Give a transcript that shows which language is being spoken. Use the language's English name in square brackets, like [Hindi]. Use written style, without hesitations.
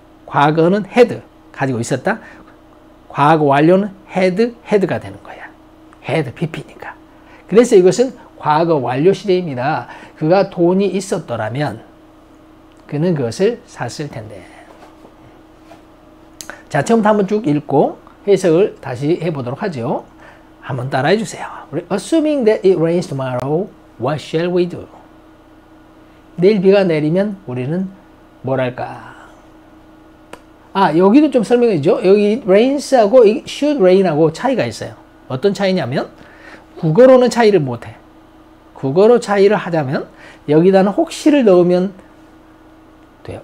[Korean] 과거는 had 가지고 있었다. 과거 완료는 had가 되는 거야. had pp니까. 그래서 이것은 과거 완료 시제입니다. 그가 돈이 있었더라면 그는 그것을 샀을 텐데. 자, 처음부터 한번 쭉 읽고 해석을 다시 해보도록 하죠. 한번 따라해 주세요. [English] Assuming that it rains tomorrow, what shall we do? [Korean] 내일 비가 내리면 우리는 뭘 할까? 아, 여기도 좀 설명해 주죠. 여기 rains하고 should rain하고 차이가 있어요. 어떤 차이냐면 국어로는 차이를 못해. 국어로 차이를 하자면 여기다는 혹시를 넣으면 돼요.